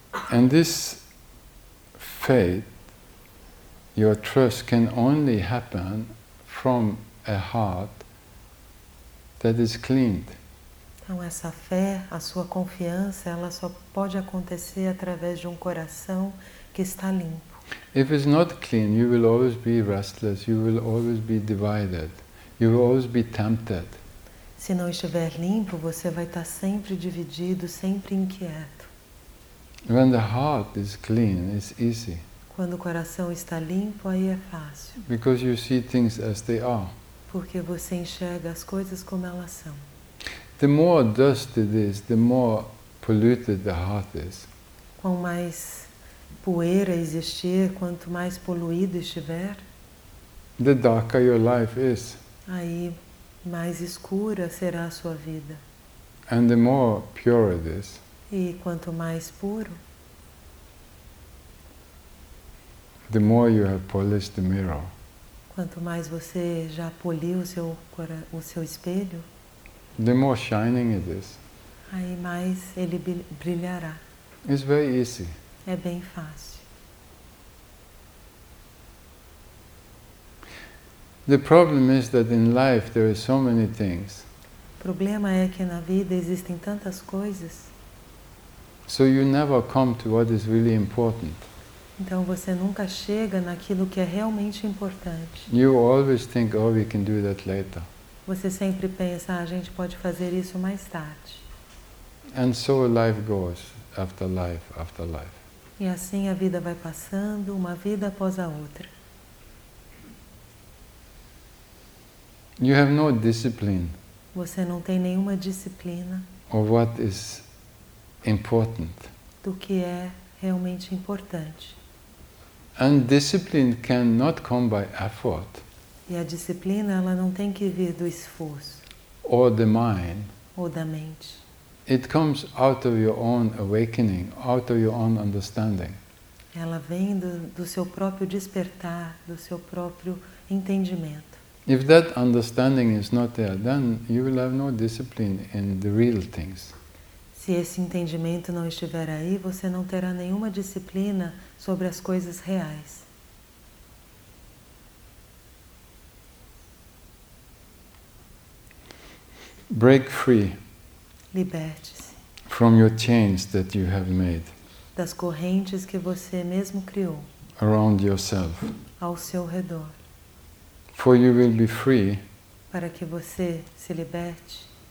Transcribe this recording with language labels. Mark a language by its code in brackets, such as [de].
[en] And this faith, your trust, can only happen from a heart that is cleaned. [pt] Então essa fé, a sua confiança, ela só pode acontecer através de um coração que está limpo. [en] If it's not clean, you will always be restless, you will always be divided, you will always be tempted. [pt] Se não estiver limpo, você vai estar sempre dividido, sempre inquieto. [en] When the heart is clean, it's easy. [pt] Quando o coração está limpo, aí é fácil. [en] Because you see things as they are. [pt] Porque você enxerga as coisas como elas são. [en] The more dust it is, the more polluted the heart is. [pt] Quanto mais poeira existir, quanto mais poluído estiver, [en] the darker your life is. [pt] Aí mais escura será a sua vida. [en] And the more pure it is. [pt] E quanto mais puro, [en] the more you have polished the mirror. [pt] Quanto mais você já poliu o seu espelho, [en] the more shining it is. [pt] Aí mais ele brilhará. [en] It's very easy. [pt] É bem fácil. [en] The problem is that in life there are so many things. [pt] O problema é que na vida existem tantas coisas. [en] So you never come to what is really important. [pt] Então você nunca chega naquilo que é realmente importante. [en] You always think, oh, we can do that later. [pt] Você sempre pensa, ah, a gente pode fazer isso mais tarde. [en] And so life goes, after life, after life. [pt] E assim a vida vai passando, uma vida após a outra. [en] You have no discipline. [pt] Você não tem nenhuma disciplina. [en] Of what is important. [pt] Do que é realmente importante. [en] And discipline cannot come by effort. [pt] E a disciplina, ela não tem que vir do esforço. [en] Or the mind. [pt] Ou da mente. [en] It comes out of your own awakening, out of your own understanding. [pt] Ela vem do seu próprio despertar, do seu próprio entendimento. [en] If that understanding is not there, then you will have no discipline in the real things. [pt] Se esse entendimento não estiver aí, você não terá nenhuma disciplina sobre as coisas reais. [en] Break free. [pt] Liberte-se. [en] From your chains that you have made. [pt] Das correntes que você mesmo criou. [en] Around yourself. [pt] Ao seu redor. [en] For you will be free. [pt] Para que você se liberte.